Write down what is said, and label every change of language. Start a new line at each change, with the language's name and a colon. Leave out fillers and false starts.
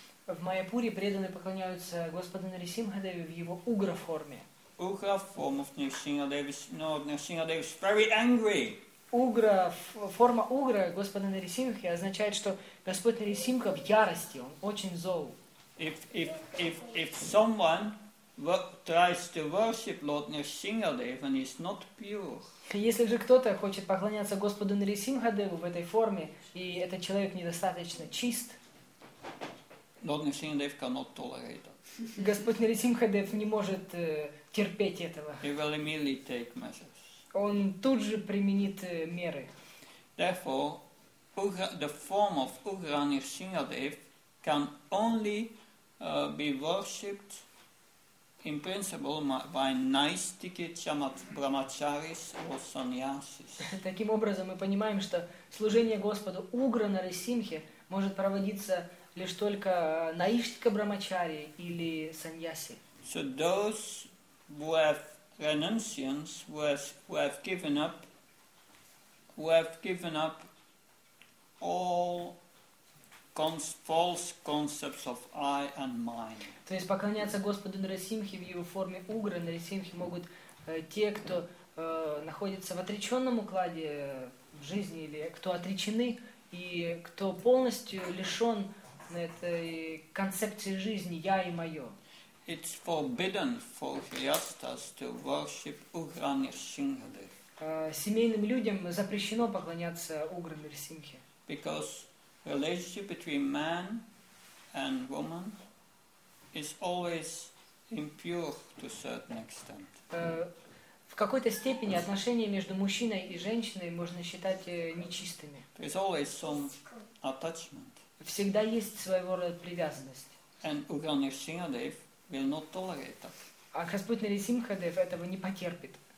Russian: В Майяпуре преданные поклоняются Господу Нарисимхадеву в его Ugra форме.
English: Ugra form of Nrsimhadev is no, Nrsimhadev is very angry.
Russian: Ugra, форма Ugra Господа Нарисимхи означает, что Господь Нарисимха в ярости, он очень зол.
English: If someone tries to worship Lord Nrsimhadev and he's not pure.
Russian: Если же кто-то хочет поклоняться Господу Нарисимхадеву в этой форме, и этот человек недостаточно чист,
English: Lord Nrsimhadev cannot tolerate that.
Russian: Господь Нарисимхадев не может терпеть этого.
English: He will immediately take measures.
Russian: Он тут же применит меры.
English: Therefore, the form of Ugra Nrsimhadev can only be worshipped in principle by naistiki, brahmacharis or sannyasis.
Russian: Таким образом, мы понимаем, что служение Господу Ugra Nrsimhi может проводиться лишь только наистика брамачари или саньяси.
English: So those who have given up all false concepts of I and mine.
Russian: То есть поклоняться Господу Нарисимхе в его форме Ugra Nrsimhi могут те, кто находится в отреченном укладе в жизни или кто отречены и кто полностью лишен этой концепции жизни я и мое.
English: It's forbidden for Griyastas to worship Ugra Nrsimhadev.
Russian: Семейным людям запрещено поклоняться Ugra Nrsimhi.
English: Because relationship between man and woman is always impure to certain extent.
Russian: В какой-то степени отношения между мужчиной и женщиной можно считать нечистыми.
English: There's always some attachment.
Russian: Всегда есть своего рода привязанность.
English: And will not tolerate that.
Russian: А Господь Нарисимхадев этого не потерпит.